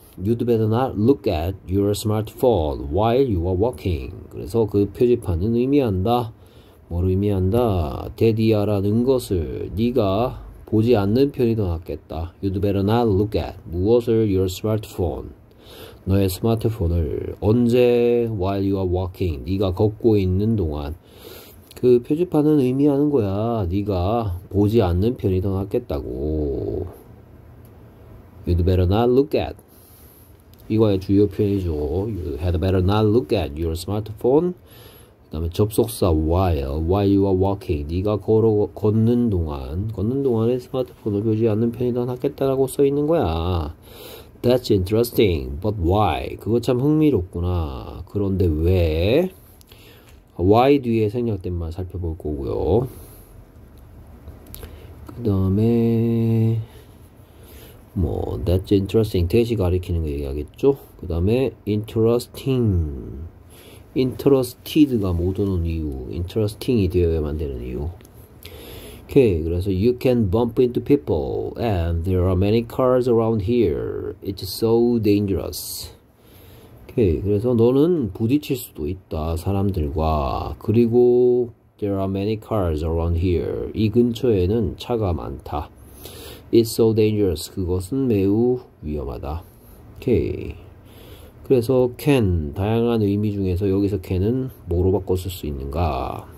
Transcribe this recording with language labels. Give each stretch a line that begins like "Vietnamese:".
English: You'd better not look at your smartphone while you are walking.
Korean: 그래서 그 표지판은 의미한다. 뭘 의미한다? 대디아라는 것을 네가 보지 않는 편이 더 낫겠다.
English: You'd better not look at
Korean: 무엇을
English: your smartphone.
Korean: 너의 스마트폰을 언제
English: while you are walking
Korean: 네가 걷고 있는 동안 그 표지판은 의미하는 거야. 네가 보지 않는 편이 더 낫겠다고.
English: You'd better not look at
Korean: 이거의 주요 표현이죠.
English: You had better not look at your smartphone.
Korean: 그다음에 접속사
English: while you are walking
Korean: 네가 걷는 동안에 스마트폰을 보지 않는 편이 더 낫겠다라고 써 있는 거야.
English: That's interesting, but why?
Korean: 그거 참 흥미롭구나. 그런데 왜? Why 뒤에 생략된 말 살펴볼 거고요. 그다음에 뭐
English: that's interesting
Korean: 대시 가리키는 거 얘기하겠죠? 그다음에 interesting, interested가 못 오는 이유, interesting이 되어야만 되는 이유.
English: Okay,
Korean: 그래서
English: you can bump into people and there are many cars around here. It's so dangerous.
Korean: Okay, 그래서 너는 부딪힐 수도 있다, 사람들과.
English: 그리고 there are many cars around here.
Korean: 이 근처에는 차가 많다.
English: It's so dangerous.
Korean: 그것은 매우 위험하다. Okay, 그래서 can 다양한 의미 중에서 여기서 can은 뭐로 바꿔 쓸수 있는가?